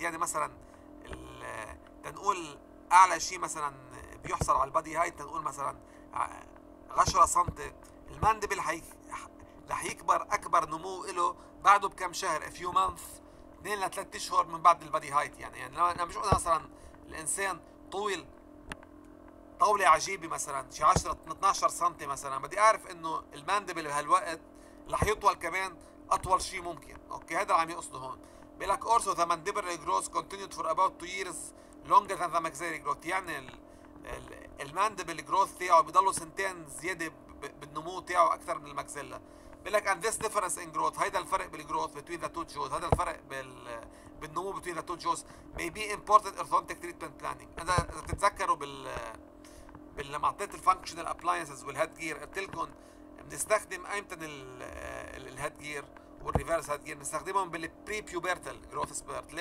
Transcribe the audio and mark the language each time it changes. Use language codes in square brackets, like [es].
[ar] يعني مثلا تنقول اعلى شيء مثلا بيحصل على البادي هايت تنقول مثلا 10 سنتي، الماندبل رح يكبر اكبر نمو له بعده بكم شهر، [en] a few months [ar] 2 ل 3 اشهر من بعد البادي هايت. يعني لما انا مش مثلا الانسان طويل طوله عجيبه مثلا شي 10 12 سنتي مثلا، بدي اعرف انه الماندبل بهالوقت رح يطول كمان اطول شيء ممكن. اوكي هذا اللي عم يقصده هون. بيقولك [en] also the mandibular growth continued for about 2 years longer than the maxillary growth. [ar] يعني الماندبل جروث تاعه بيضلوا سنتين زياده بالنمو تاعه اكثر من المكسيلا. بيقولك [en] and this difference in growth، [ar] هيدا الفرق بالجروث [en] between the two jaws، [ar] هذا الفرق بالنمو [en] between the two jaws may be important orthodontic treatment planning. [ar] اذا بتتذكروا لما اعطيت الفانكشنال ابلاينسز والهيد جير قلت لكم بنستخدم ايمتى الهيد جير والريفرس هيد جير؟ بنستخدمهم بالبري بيوبرتال جروث سبيرت.